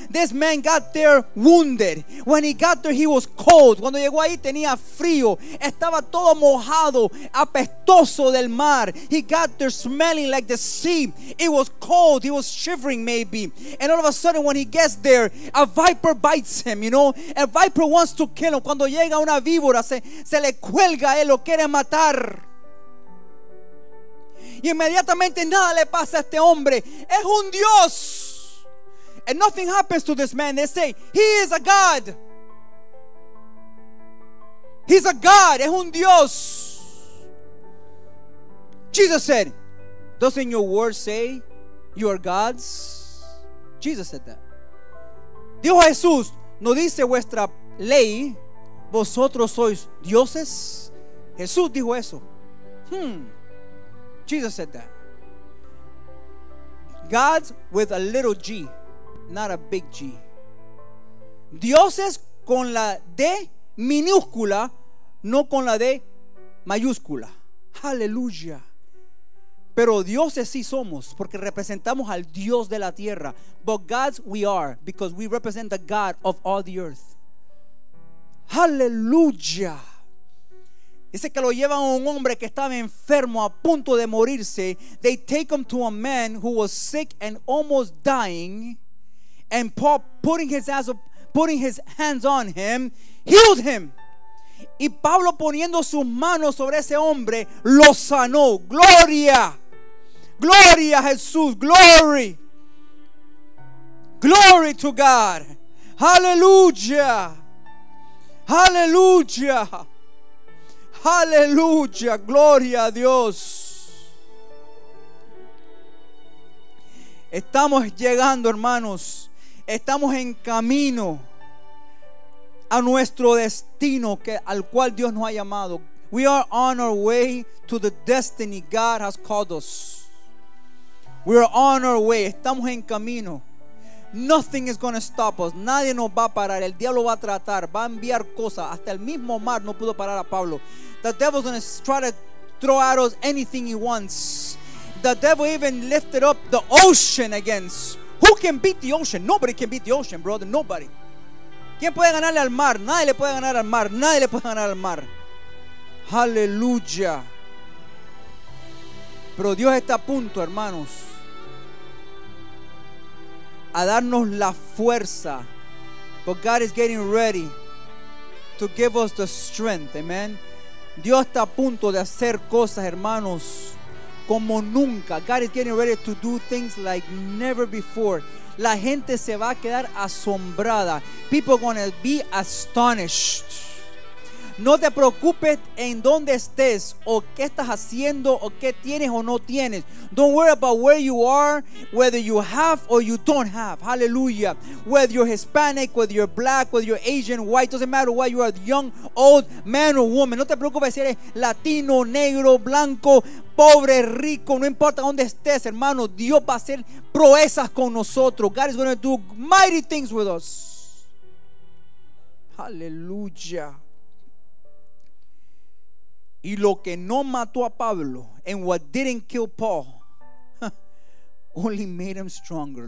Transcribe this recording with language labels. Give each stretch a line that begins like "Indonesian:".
English: This man got there wounded. When he got there he was cold.
Spanish: Cuando llegó ahí tenía frío. Estaba todo mojado, apestoso del mar.
English: He got there smelling like the sea. It was cold, he was shivering maybe. And all of a sudden when he gets there, a viper bites him, you know. A viper wants to kill him.
Spanish: Cuando llega una víbora se le cuelga a él, lo quiere matar. Y inmediatamente nada le pasa a este hombre. Es un Dios.
English: And nothing happens to this man. They say he is a God. He's a God.
Spanish: Es un Dios.
English: Jesus said, doesn't your word say you are gods? Jesus said that.
Spanish: Dijo Jesús, ¿no dice vuestra ley vosotros sois dioses? Jesús dijo eso.
English: Jesus said that. Gods with a little g, not a big g.
Spanish: Dioses con la D minúscula, no con la D mayúscula. Aleluya. Pero dioses sí somos, porque representamos al Dios de la tierra.
English: But gods we are, because we represent the God of all the earth.
Spanish: Aleluya. Dice que lo llevan a un hombre que estaba enfermo, a punto de morirse.
English: They take him to a man who was sick and almost dying. And Paul, putting his hands on him, healed him.
Spanish: Y Pablo poniendo sus manos sobre ese hombre, lo sanó. Gloria. Gloria a Jesús.
English: Glory. Glory to God. Hallelujah.
Spanish: Hallelujah. Aleluya, gloria a Dios. Estamos llegando, hermanos. Estamos en camino a nuestro destino al cual Dios nos ha llamado.
English: We are on our way to the destiny God has called us. We are on our way.
Spanish: Estamos en camino.
English: Nothing is going to stop us.
Spanish: Nadie nos va a parar. El diablo va a tratar, va a enviar cosas. Hasta el mismo mar no pudo parar a Pablo.
English: The devil's going to try to throw at us anything he wants. The devil even lifted up the ocean against. Who can beat the ocean? Nobody can beat the ocean, brother. Nobody.
Spanish: ¿Quién puede ganarle al mar? Nadie le puede ganar al mar. Nadie le puede ganar al mar. Aleluya. Pero Dios está a punto, hermanos, a darnos la fuerza.
English: But God is getting ready to give us the strength. Amen.
Spanish: Dios está a punto de hacer cosas, hermanos, como nunca.
English: God is getting ready to do things like never before.
Spanish: La gente se va a quedar asombrada.
English: People are gonna be astonished.
Spanish: No te preocupes en dónde estés o qué estás haciendo o qué tienes o no tienes.
English: Don't worry about where you are, whether you have or you don't have. Hallelujah. Whether you're Hispanic, whether you're black, whether you're Asian, white, doesn't matter what you are, young, old, man or woman.
Spanish: No te preocupes si eres latino, negro, blanco, pobre, rico. No importa dónde estés, hermano. Dios va a hacer proezas con nosotros.
English: God is going to do mighty things with us. Hallelujah.
Spanish: Y lo que no mató a Pablo,
English: and what didn't kill Paul, only made him stronger.